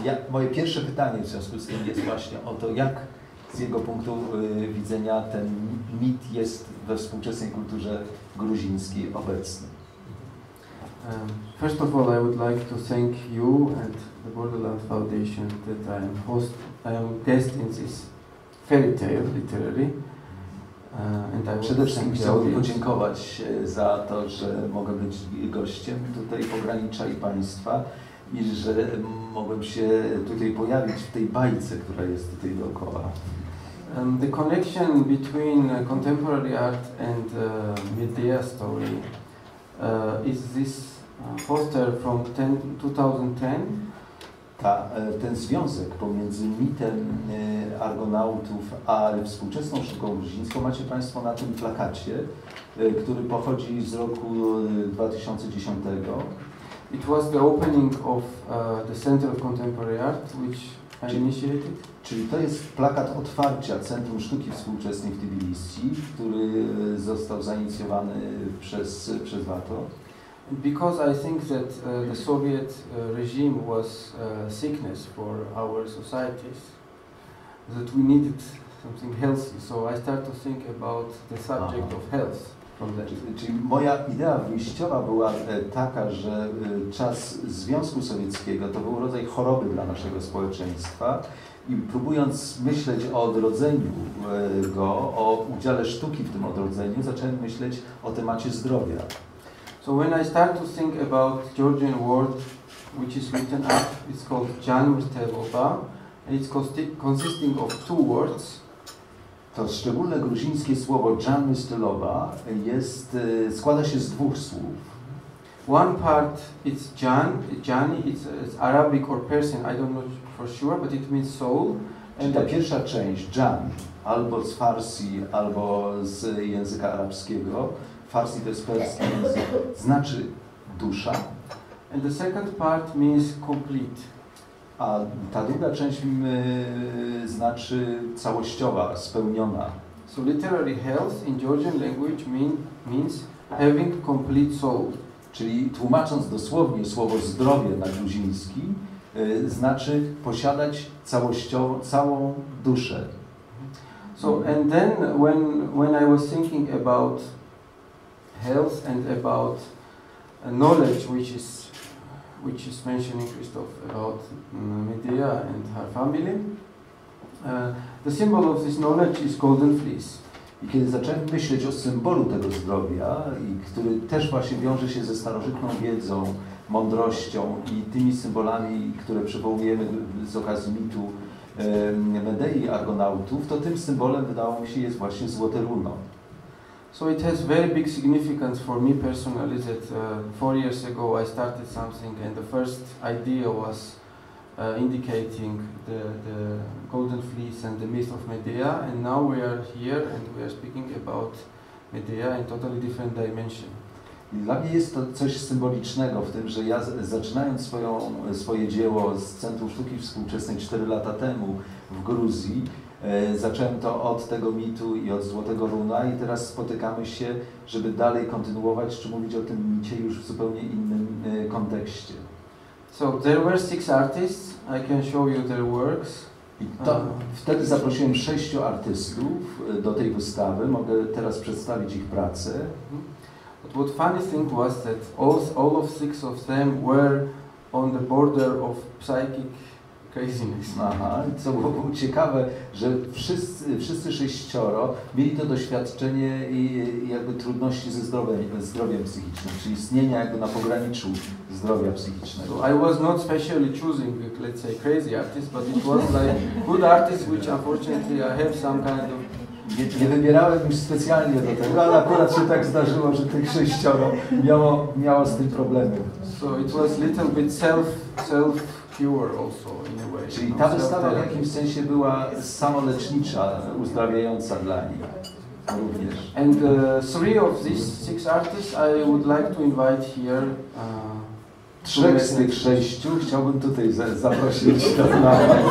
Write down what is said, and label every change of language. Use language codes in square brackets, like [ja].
[pl] Moje pierwsze pytanie w związku z tym jest właśnie o to, jak z jego punktu widzenia ten mit jest we współczesnej kulturze gruzińskiej obecny. [en] First of all, I would like to thank you and the Borderland Foundation that I am host, I am guest in this fairy tale, literally. [pl] And I przede wszystkim chciałbym podziękować za to, że mogę być gościem tutaj pogranicza i państwa i że mogłem się tutaj pojawić w tej bajce, która jest tutaj dookoła. [en] The connection between contemporary art and Medea story is this poster from 2010. [pl] Ten związek pomiędzy mitem Argonautów a współczesną sztuką gruzińską macie Państwo na tym plakacie, który pochodzi z roku 2010. [en] It was the opening of the Center of Contemporary Art, which I initiated. [pl] Czyli to jest plakat otwarcia Centrum Sztuki Współczesnej w Tbilisi, który został zainicjowany przez Vato. [en] Because I think that the Soviet regime was sickness for our societies, that we needed something healthy. So I start to think about the subject of health. [pl] Czyli moja idea wyjściowa była taka, że czas Związku Sowieckiego to był rodzaj choroby dla naszego społeczeństwa i próbując myśleć o odrodzeniu go, o udziale sztuki w tym odrodzeniu, zacząłem myśleć o temacie zdrowia. [en] So when I start to think about Georgian word, which is written up, it's called Janur Teloba, and it's consisting of two words. [pl] To szczególne gruzińskie słowo Janur Teloba jest składa się z dwóch słów. [en] One part it's Jan, Jani, it's Arabic or Persian, I don't know for sure, but it means soul. [pl] Czyli ta pierwsza część, Jan, albo z Farsi, albo z języka arabskiego, Farsi to jest perski język, znaczy dusza. [en] And the second part means complete. [pl] A ta druga część znaczy całościowa, spełniona. [en] So literally health in Georgian language means having complete soul. [pl] Czyli tłumacząc dosłownie słowo zdrowie na gruziński, znaczy posiadać całościowo, całą duszę. [en] So and then when I was thinking about health and about knowledge which is mentioning Christoph about Medea and her family, the symbol of this knowledge is golden fleece. [pl] I kiedy zacząłem myśleć o symbolu tego zdrowia, i który też właśnie wiąże się ze starożytną wiedzą, mądrością i tymi symbolami, które przywołujemy z okazji mitu Medei Argonautów, to tym symbolem wydało mi się jest właśnie złote runo. [en] So it has very big significance for me personally that 4 years ago I started something and the first idea was indicating the golden fleece and the myth of Medea, and now we are here and we are speaking about Medea in totally different dimension. [pl] I dla mnie jest to coś symbolicznego w tym, że ja zaczynając swoje dzieło z Centrum Sztuki Współczesnej 4 lata temu w Gruzji, zacząłem to od tego mitu i od złotego runa i teraz spotykamy się, żeby dalej kontynuować czy mówić o tym micie już w zupełnie innym kontekście. [en] So there were 6 artists. I can show you their works. [pl] I to, wtedy zaprosiłem 6 artystów do tej wystawy. Mogę teraz przedstawić ich pracę. [en] But what funny thing was that all of 6 of them were on the border of psychic craziness. [pl] Aha, co było ciekawe, że wszyscy 6 mieli to doświadczenie i jakby trudności ze zdrowiem psychicznym, czy istnienia jakby na pograniczu zdrowia psychicznego. [en] So I was not specially choosing, let's say, crazy artists, but it was like good artists, which unfortunately I have some kind of. [pl] Nie wybierałem już specjalnie do tego, ale akurat się tak zdarzyło, że tych 6 miało z tym problemy. [en] So it was little bit self cure also in a way. [pl] Czyli ta wystawa w jakimś sensie była samolecznicza, uzdrawiająca dla nich również. [en] And 3 of these 6 artists I would like to invite here. [pl] 3 z tych 6 chciałbym tutaj zaprosić do nas.